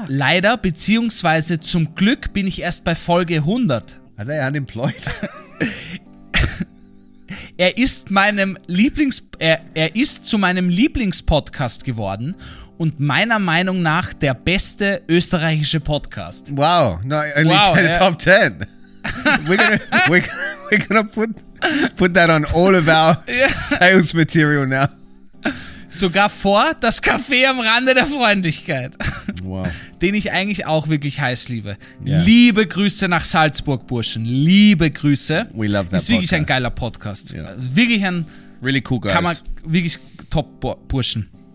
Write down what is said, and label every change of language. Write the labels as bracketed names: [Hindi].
[German] Leider, beziehungsweise zum Glück bin ich erst bei Folge 100. [English] Are they unemployed? [German] Er ist zu meinem Lieblingspodcast geworden und meiner Meinung nach der beste österreichische Podcast. [English] Wow, not only wow, ten, yeah. Top 10. We're gonna put that on all of our sales material now. [German] Sogar vor das Café am Rande der Freundlichkeit. [English] Wow. [German] Den ich eigentlich auch wirklich heiß liebe. Yeah. Liebe Grüße nach Salzburg, Burschen. Liebe Grüße. [English] We love that [German] Ist wirklich [English] podcast. [German] Ein geiler Podcast. Yeah. Wirklich ein... [English] Really cool guys. [German] Kann man wirklich top Burschen.